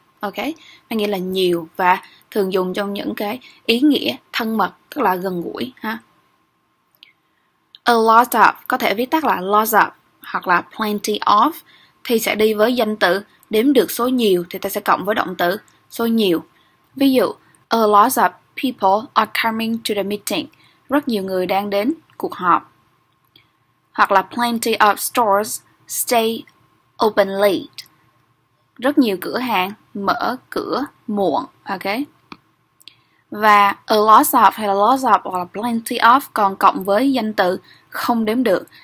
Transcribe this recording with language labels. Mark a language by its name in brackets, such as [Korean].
[Vietnamese] Ok, nó nghĩa là nhiều và thường dùng trong những cái ý nghĩa thân mật, tức là gần gũi ha. A lot of có thể viết tắt là lots of hoặc là plenty of thì sẽ đi với danh từ đếm được số nhiều thì ta sẽ cộng với động từ số nhiều. Ví dụ, [English] a lot of people are coming to the meeting. [Vietnamese] Rất nhiều người đang đến cuộc họp. Hoặc là [English] plenty of stores stay open late. [Vietnamese] Rất nhiều cửa hàng mở cửa muộn. Okay? Và a lot of hay là lots of hoặc là plenty of còn cộng với danh từ không đếm được.